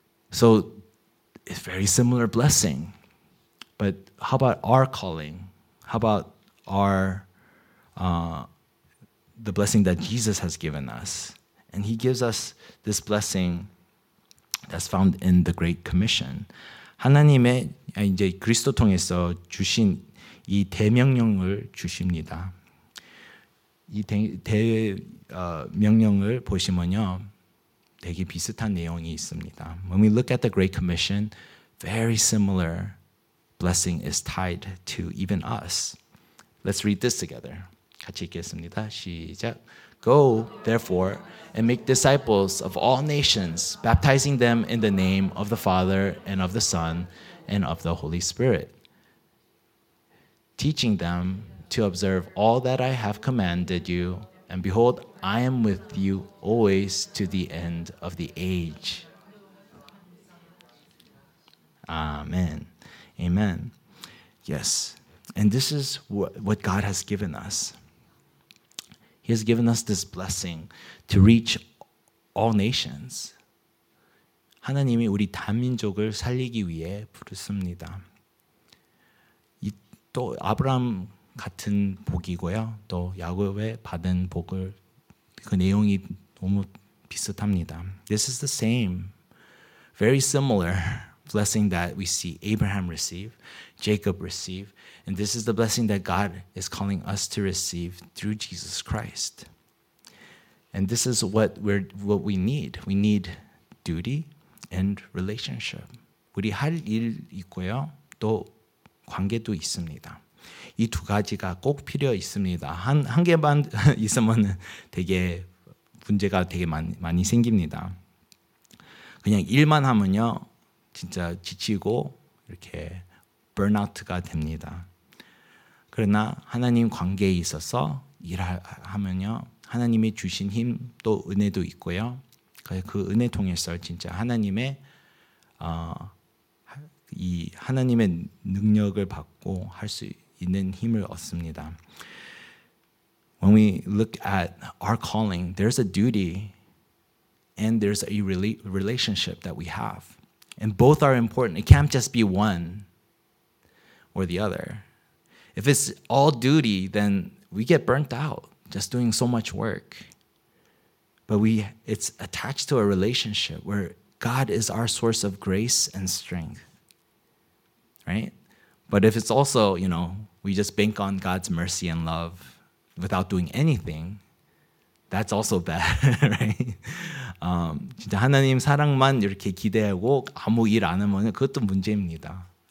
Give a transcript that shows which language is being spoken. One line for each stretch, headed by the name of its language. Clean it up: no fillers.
English: So it's very similar blessing. But how about our calling? How about the blessing that Jesus has given us? And he gives us this blessing that's found in the Great Commission.
Korean: 하나님의 이제 그리스도 통해서 주신 이 대명령을 주십니다. 이 대명령을 보시면요, 되게 비슷한 내용이 있습니다.
English: When we look at the Great Commission, very similar blessing is tied to even us. Let's read this together.
Korean: 같이 읽겠습니다. 시작.
English: Go, therefore, and make disciples of all nations, baptizing them in the name of the Father and of the Son and of the Holy Spirit, teaching them to observe all that I have commanded you. And behold, I am with you always to the end of the age. Amen. Amen. Yes. And this is what God has given us. He has given us this blessing to reach all nations.
Korean: 하나님이 우리 다민족을 살리기 위해 부르십니다. 또 아브라함 같은 복이고요. 또 야곱의 받은 복을 그 내용이 너무 비슷합니다.
English: This is the same, very similar blessing that we see Abraham receive, Jacob receive, and this is the blessing that God is calling us to receive through Jesus Christ. And this is what we need. We need duty and relationship
Korean: 우리 할 일 있고요. 또 관계도 있습니다. 이 두 가지가 꼭 필요 있습니다. 한 개만 있으면 되게 문제가 되게 많이 생깁니다. 그냥 일만 하면요. 진짜 지치고 이렇게 burnout가 됩니다. 그러나 하나님 관계에 있어서 일하면요. 하나님이 주신 힘 또 은혜도 있고요. 그 은혜 통해서 진짜 하나님의 이 하나님의 능력을 받고 할 수 있는 힘을 얻습니다.
English: When we look at our calling, there's a duty and there's a relationship that we have. And both are important. It can't just be one or the other. If it's all duty, then we get burnt out just doing so much work. But it's attached to a relationship where God is our source of grace and strength. Right? But if it's also, you know, we just bank on God's mercy and love without doing anything, that's also bad, right?
Korean: 진짜 하나님 사랑만 이렇게 기대하고 아무 일 안 하면 그것도 문제입니다.